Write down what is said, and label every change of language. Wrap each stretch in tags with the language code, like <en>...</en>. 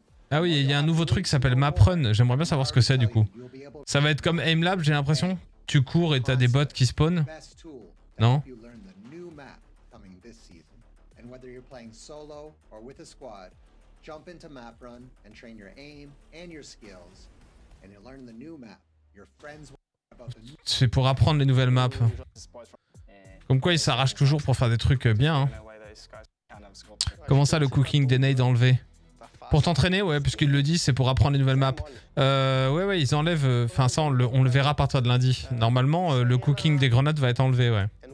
<fr>Ah oui, il y a un nouveau truc qui s'appelle Map Run. J'aimerais bien savoir ce que c'est du coup. Ça va être comme Aim Lab, j'ai l'impression. Tu cours et t'as des bots qui spawnent. Non?</fr> <en>And whether you're playing solo or with a squad, jump into Map Run and train your aim and your skills and you'll learn the new map.</en> <fr>C'est pour apprendre les nouvelles maps. Comme quoi, ils s'arrachent toujours pour faire des trucs bien. Hein. Comment ça, le cooking des nades enlevé? Pour t'entraîner, ouais, puisqu'ils le disent, c'est pour apprendre les nouvelles maps. Ouais, ils enlèvent. Enfin, ça, on le verra à partir de lundi. Normalement, le cooking des grenades va être enlevé, ouais.</fr>